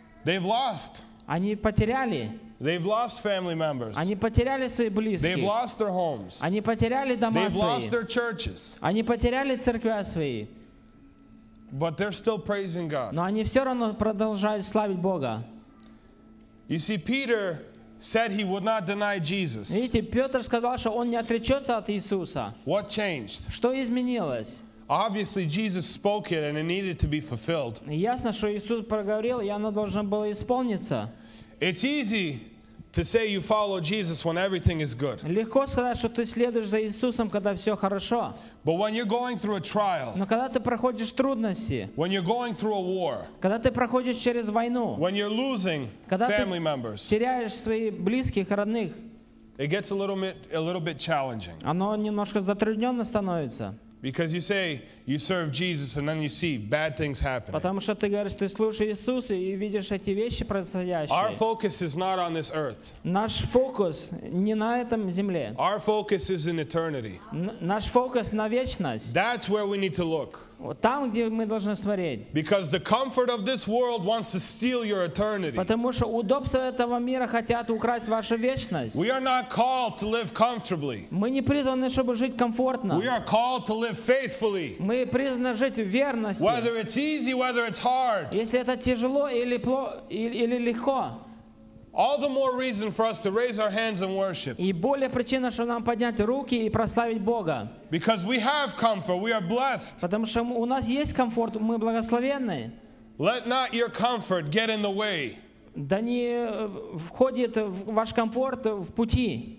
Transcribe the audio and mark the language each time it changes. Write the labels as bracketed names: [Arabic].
[English] They've lost. [Russian] Они потеряли. [English] They've lost family members. [Russian] Они потеряли свои близкие. [English] They've lost their homes. [Russian] Они потеряли дома [English] They've [Russian] свои. [English] They've lost their churches. [Russian] Они потеряли церкви свои. [English] But they're still praising God. [Russian] Но они все равно продолжают славить Бога. [English] You see, Peter said he would not deny Jesus. [Russian] Видите, Петр сказал, что он не отречется от Иисуса. [English] What changed? [Russian] Что изменилось? [English] Obviously, Jesus spoke it, and it needed to be fulfilled. [Russian] Ясно, что Иисус проговорил, и оно должно было исполниться. [English] It's easy to say you follow Jesus when everything is good. [Russian] Легко сказать, что ты следуешь за Иисусом, когда все хорошо. [English] But when you're going through a trial, [Russian] но когда ты проходишь трудности, [English] when you're going through a war, [Russian] когда ты проходишь через войну, [English] when you're losing family members, [Russian] когда ты теряешь своих близких, родных, [English] it gets a little bit challenging. [Russian] Оно немножко затрудненно становится. [English] Because you say you serve Jesus and then you see bad things happen. [Russian] Потому что ты говоришь, ты служишь Иисусу и видишь эти вещи происходящие. [English] Our focus is not on this earth. [Russian] Наш фокус не на этом земле. [English] Our focus is in eternity. [Russian] Наш фокус на вечность. [English] That's where we need to look. [Russian] Там, где мы должны смотреть. [English] Because the comfort of this world wants to steal your eternity. [Russian] Потому что удобства этого мира хотят украсть вашу вечность. [English] We are not called to live comfortably. [Russian] Мы не призваны, чтобы жить комфортно. [English] We are called to live faithfully. [Russian] Мы призваны жить в верности. [English] Whether it's easy, whether it's hard. [Russian] Если это тяжело или легко. [English] All the more reason for us to raise our hands and worship. [Ukrainian] І більше причина, щоб нам підняти руки і прославити Бога. [English] Because we have comfort, we are blessed. [Ukrainian] Тому що у нас є комфорт, ми благословені. [English] Let not your comfort get in the way. [Russian] Да не входит в ваш комфорт в пути.